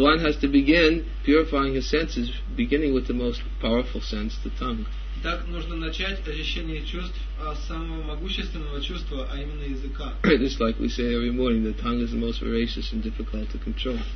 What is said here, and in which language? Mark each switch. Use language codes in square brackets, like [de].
[en] one has to begin purifying his senses, beginning with the most powerful sense, the tongue. [ru] Так нужно начать очищение чувств с самого могущественного чувства, а именно языка. [en] Just like we say every morning, the tongue is the most voracious and difficult to control.